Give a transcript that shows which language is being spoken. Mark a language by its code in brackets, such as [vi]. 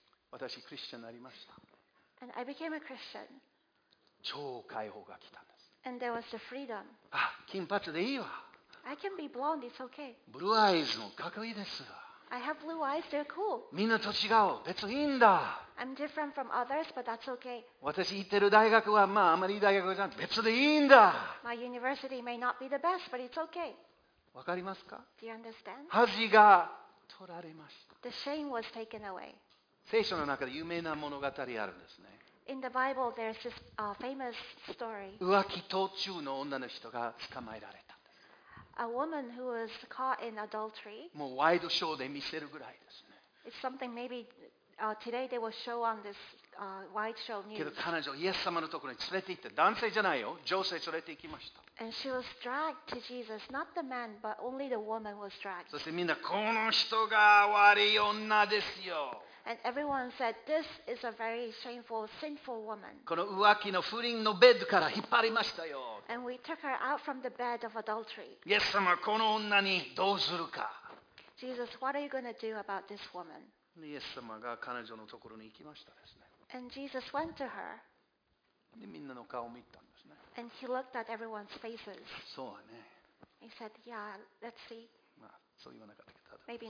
[ja] 私クリスチャンになりました。 [en] And I became a Christian. [ja] 超解放が来たんです。 [en] And there was the freedom. [ja] あ、金髪でいいわ。 [en] I can be blonde, it's okay. [ja] ブルーアイズもかっこいいです。 [en] I have blue eyes, they're cool. [ja] みんなと違う、別にいいんだ。 [en] I'm different from others, but that's okay. [ja] 私行ってる大学はまああまりいい大学じゃなくて別でいいんだ。 [en] My university may not be the best, but it's okay. [ja] わかりますか？ [en] Do you understand? [ja] 恥が取られました。 [en] The shame was taken away. [ja] 聖書の中で有名な物語あるんですね。 [en] In the Bible, there's this famous story. [ja] 浮気途中の女の人が捕まえられたんです。 [en] A woman who was caught in adultery. [ja] もうワイドショーで見せるぐらいですね。 [en] It's something maybe today they will show on this wide show news. [ja] けど彼女イエス様のところに連れて行って、男性じゃないよ、女性連れて行きました。 [en] And she was dragged to Jesus, not the man, but only the woman was dragged. [ja] そしてみんなこの人が悪い女ですよ。 [en] And everyone said, this is a very shameful, sinful woman. [ja] この浮気の不倫のベッドから引っ張りましたよ。 [en] And we took her out from the bed of adultery. [ja] イエス様この女にどうするか。 [en] Jesus, what are you going to do about this woman? [ja] イエス様が彼女のところに行きましたですね。 [en] And Jesus went to her. [ja] でみんなの顔を見た。 [en] And he looked at everyone's faces. [ja] そうね。 [en] He said, "Yeah, let's see." [ja] まあ、そう言わなかったけど。